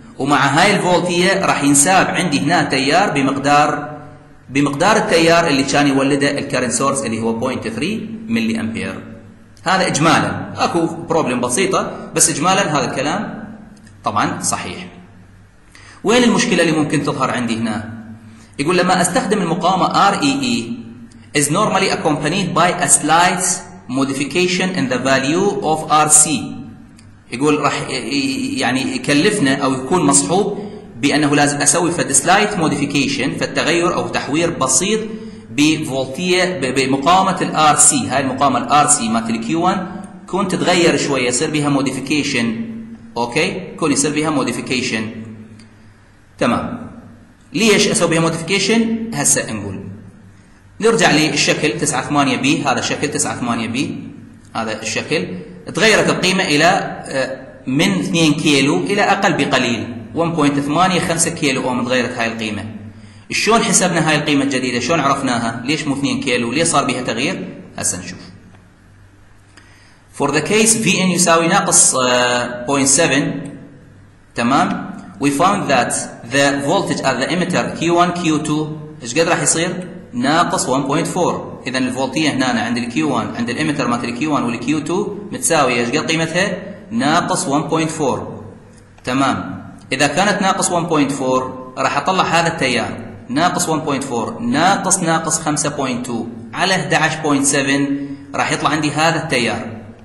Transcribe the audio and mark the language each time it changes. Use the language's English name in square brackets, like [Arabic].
[Arabic] ومع هاي الفولتية راح ينساب عندي هنا تيار بمقدار التيار اللي كان يولده الكارنت سورس اللي هو 0.3 ملي امبير. هذا اجمالا، اكو بروبلم بسيطه بس اجمالا هذا الكلام طبعا صحيح. وين المشكله اللي ممكن تظهر عندي هنا؟ يقول لما استخدم المقاومه [English] REE is normally accompanied by a slight modification in the value of RC. [Arabic] يقول راح يعني يكلفنا او يكون مصحوب بانه لازم اسوي فد سلايت موديفيكيشن، فالتغير او تحوير بسيط بفولتيه بمقاومه الار سي. هاي المقاومه الار سي مالت الكيو 1 كون تتغير شويه، يصير بها موديفيكيشن. اوكي، كون يصير بها موديفيكيشن، تمام. ليش اسوي بها موديفيكيشن؟ هسه نقول نرجع للشكل 98 بي. هذا الشكل 98 بي، هذا الشكل تغيرت القيمه الى من 2 كيلو الى اقل بقليل، 1.85 كيلو اوم تغيرت هاي القيمه. شلون حسبنا هاي القيمه الجديده؟ شلون عرفناها؟ ليش مو 2 كيلو؟ ليش صار بها تغيير؟ هسه نشوف. [English] For the case Vn [Arabic] يساوي ناقص 0.7، تمام؟ [English] We found that the voltage at the emitter Q1 Q2 [Arabic] ايش قد راح يصير؟ ناقص 1.4. اذا الفولتيه هنا عند الـ Q1 عند الايميتر مالت الـ Q1 والـ Q2 متساويه، ايش قد قيمتها؟ ناقص 1.4، تمام. إذا كانت ناقص 1.4 راح أطلع هذا التيار ناقص 1.4 ناقص ناقص 5.2 على 11.7 راح يطلع عندي هذا التيار.